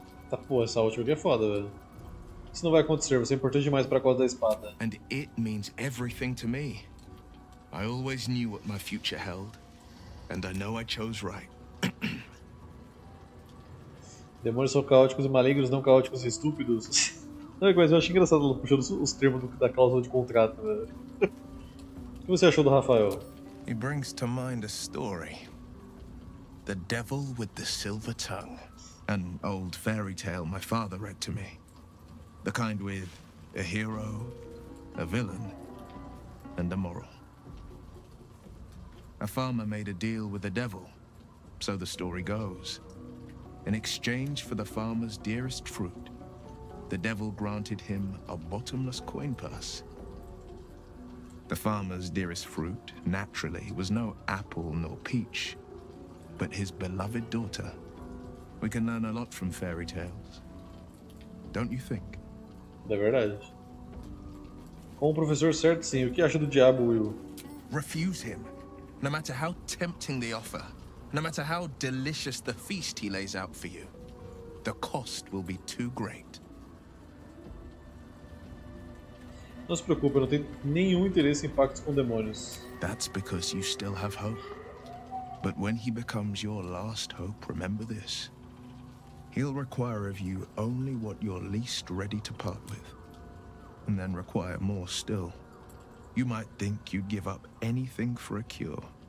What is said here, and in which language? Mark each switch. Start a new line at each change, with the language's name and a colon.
Portuguese: Tá, pô, essa última aqui é foda, velho. Isso não vai acontecer, você é importante demais pra causa da espada.
English: And it means everything to me. I always knew what my future held, and I know I chose right.
Portuguese: Demônios são caóticos e malignos, não caóticos e estúpidos. Não, mas eu achei engraçado ela puxando os termos da cláusula de contrato, velho. O que você achou do Rafael?
English: He brings to mind a story. The devil with the silver tongue. An old fairy tale my father read to me. The kind with a hero, a villain, and a moral. A farmer made a deal with the devil, so the story goes. In exchange for the farmer's dearest fruit, the devil granted him a bottomless coin purse. The farmer's dearest fruit, naturally, was no apple nor peach, but his beloved daughter. We can learn a lot from fairy tales, don't you think?
Portuguese: É verdade. Com o professor certo, sim. O que acha do diabo, Will?
English: Refuse him. No matter how tempting the offer, no matter how delicious the feast he lays out for you, the cost will be too great.
Portuguese: Não se preocupe, eu não tenho nenhum interesse em pactos com demônios.
English: That's because you still have hope. But when he becomes your last hope, remember this. He'll require of you only what you're least ready to part with. And then require more still. You might think you'd give up anything for a cure.